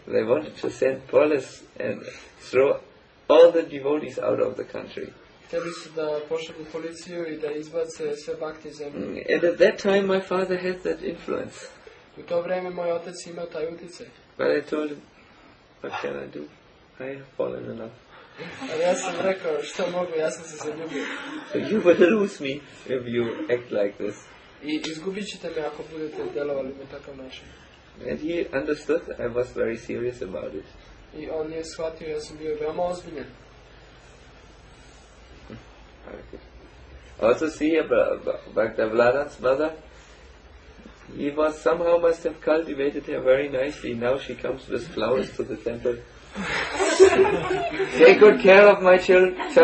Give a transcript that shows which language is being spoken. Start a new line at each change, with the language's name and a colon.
English: They wanted to send police and throw all the devotees out of the country.
Serbian: Hteli su da pošalju policiju i da izbace sve bhakte iz zemlje.
English: And at that time my father had that influence.
Serbian: U to vreme moj otac imao taj uticaj.
English: But I told him, what can I do? I have fallen in love.
Serbian: Ali ja sam rekao, što mogu, ja sam se zaljubio.
English: So you will lose me if you act like this.
Serbian: I izgubit ćete me ako budete delovali na takav način.
English: And he understood I was very serious about it.
Serbian: I on je shvatio, ja sam bio veoma ozbiljen.
English: Also see here, Bhaktavalada's mother, he was somehow must have cultivated her very nicely. Now she comes with flowers to the temple. Take good care of my children.